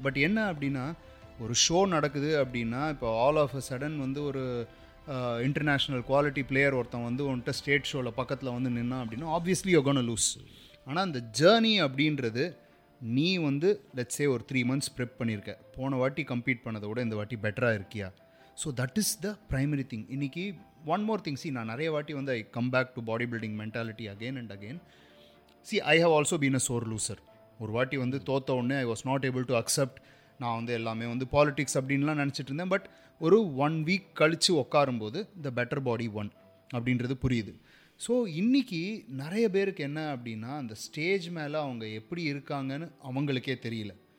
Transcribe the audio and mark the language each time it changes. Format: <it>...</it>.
<ta>But என்ன அப்படின்னா, ஒரு ஷோ நடக்குது அப்படின்னா, இப்போ ஆல் ஆஃப் அ சடன் வந்து ஒரு இன்டர்நேஷ்னல் குவாலிட்டி பிளேயர் ஒருத்தன் வந்து உன்ட்ட ஸ்டேட் ஷோவில் பக்கத்தில் வந்து நின்னா அப்படின்னா,</ta> <en>Obviously you gonna lose.</en> <ta>ஆனால் அந்த ஜேர்னி அப்படின்றது நீ வந்து</ta> <en>let's say</en> <ta>ஒரு 3 months ப்ரெப் பண்ணியிருக்க, போன வாட்டி கம்ப்ளீட் பண்ணதை விட இந்த வாட்டி பெட்டராக இருக்கியா.</ta> <en>So that is the primary thing.</en> <ta>இன்றைக்கி</ta> <en>one more things,</en> <ta>நான் நிறைய வாட்டி வந்து</ta> <en>I come back to body building mentality again and again. See, I have also been a sore loser.</en> <ta>ஒரு வாட்டி வந்து தோத்த உடனே</ta> <en>I was not able to accept,</en> <ta>நான் வந்து எல்லாமே வந்து பாலிட்டிக்ஸ் அப்படின்லாம் நினச்சிட்டு இருந்தேன். பட் ஒரு 1 week கழித்து உட்காரும்போது</ta> <en>the better body one</en> <ta>அப்படின்றது புரியுது. ஸோ இன்றைக்கி நிறைய பேருக்கு என்ன அப்படின்னா, அந்த ஸ்டேஜ் மேலே அவங்க எப்படி இருக்காங்கன்னு அவங்களுக்கே தெரியல.</ta>